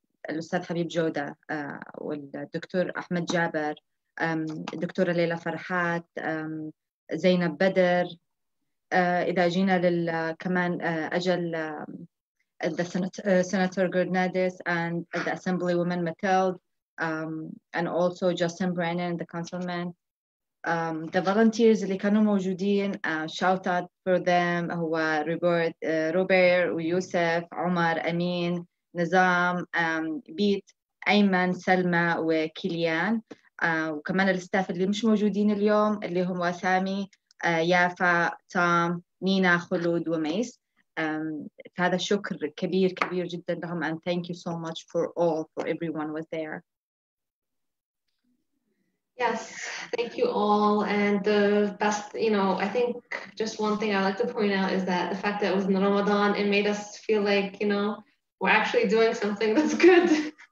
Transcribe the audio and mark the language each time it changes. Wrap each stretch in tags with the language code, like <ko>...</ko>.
<ar>الاستاذ حبيب جوده والدكتور احمد جابر الدكتوره ليلى فرحات زينب بدر اذا جينا لل كمان اجل</ar> <en>the Senator Gurdnadis and the Assemblywoman Mathilde and also Justin Brennan, the councilman. The volunteers</en> <ar>اللي كانوا موجودين,</ar> <en>shout out for them, هو Robert, Yusuf, Omar, Amin, Nizam, Beat, Ayman, Selma, وكيليان.</en> <ar>وكمان الستاف اللي مش موجودين اليوم, اللي هم وسامي, يافا, Tom, Nina, Khulud, وميس. فهذا شكر كبير كبير جدا لهم</ar> <en>and thank you so much for all, for everyone was there. Yes, thank you all. And the best, you know, I think just one thing I like to point out is that the fact that it was in Ramadan, it made us feel like, you know, we're actually doing something that's good.</en>